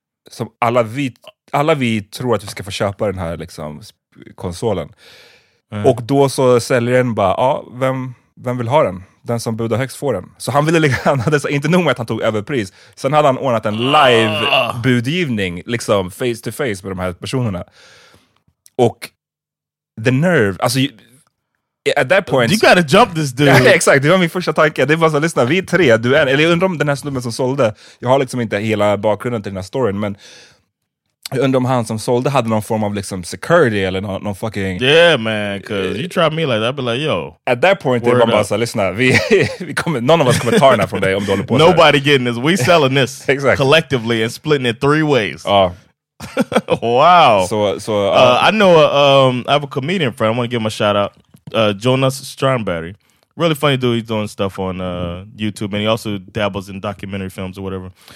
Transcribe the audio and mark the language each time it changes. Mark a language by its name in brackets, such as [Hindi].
[Swedish] Som alla vi tror att vi ska få köpa den här liksom konsolen. Och då så säljaren bara, ja, vem vill ha den? Den som budar högst får den. Så han ville lägga, inte nog med att han tog överpris. Sen hade han ordnat en live budgivning, liksom [English] face to face [Swedish] med de här personerna. [English] Och the nerve, alltså at that point, you gotta jump this dude. [Swedish] Ja, exakt, det var min första tanke. Det var så, lyssna, vi är tre, du är en. Eller jag undrar om den här snubben som sålde, jag har liksom inte hela bakgrunden till den här storyn, men jag undrar om han som sålde hade någon form av liksom security eller någon fucking... [English] Yeah man, cause you try me like that, I'd be like, yo. At that point, [Swedish] det var bara så, lyssna, vi kommer, [English] none of us [Swedish] kommer ta den här från dig om du håller på. [English] Nobody getting this, we selling this exactly. Collectively and splitting it three ways. Wow. So I know, I have a comedian friend, I want to give him a shout out. Jonas Strandberg, really funny dude. He's doing stuff on YouTube, and he also dabbles in documentary films or whatever.